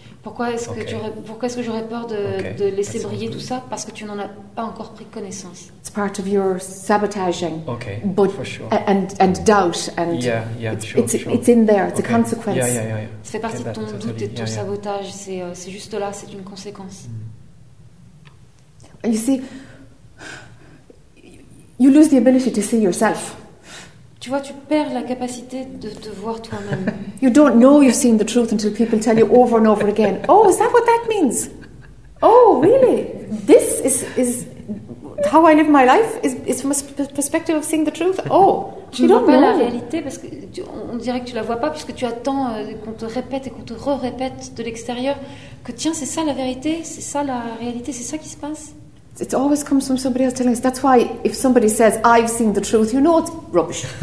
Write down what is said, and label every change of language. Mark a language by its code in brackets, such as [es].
[fr] Pourquoi est-ce que j'aurais peur de laisser briller tout ça parce que tu n'en as pas encore pris connaissance? [en] It's part of your sabotaging. Okay. But for sure. And doubt and it's in there. It's a consequence. Yeah. [fr] Ça fait partie de ton doute et de ton sabotage. C'est juste là. C'est une conséquence. [en] You see, you lose the ability to see yourself. [fr] Tu vois, tu perds la capacité de te voir toi-même. [en] You don't know you've seen the truth until people tell you over and over again. Oh, is that what that means? Oh, really? This is how I live my life is from a perspective of seeing the truth. Oh, [fr] tu ne vois pas la réalité parce que on dirait que tu la vois pas puisque tu attends qu'on te répète et qu'on te re-répète de l'extérieur que tiens, c'est ça la vérité, c'est ça la réalité, c'est ça qui se passe. [en] It always comes from somebody else telling us. That's why if somebody says I've seen the truth, you know it's rubbish.